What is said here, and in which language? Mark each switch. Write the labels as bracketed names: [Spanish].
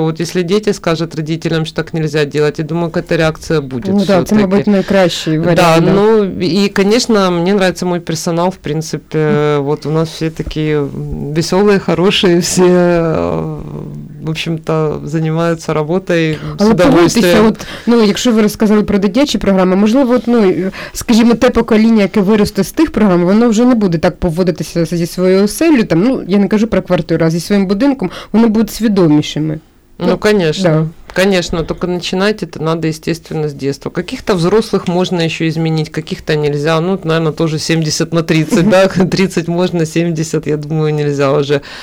[Russian] Вот если дети скажут родителям, что так нельзя делать, я думаю, какая-то реакция будет. Ну, да, это, может быть, наикращий вариант. Да, ну, и, конечно, мне нравится мой персонал, в принципе. Вот у нас все такие веселые, хорошие, все, в общем-то, занимаются работой с удовольствием. [Ukrainian] От, ну, якщо ви розказали про дитячі програми, можливо, от, ну, скажімо, те покоління, яке виросте з тих програм, воно вже не буде так поводитися зі своєю оселлю, там, ну, я не кажу про квартиру, а зі своїм будинком, вони будуть свідомішими. Ну, звісно. Да. [Russian] Конечно, только начинать это надо, естественно, с детства. Каких-то взрослых можно еще изменить, каких-то нельзя. Ну, наверное, тоже 70 на 30, да? 30 можно, 70, я думаю, нельзя уже.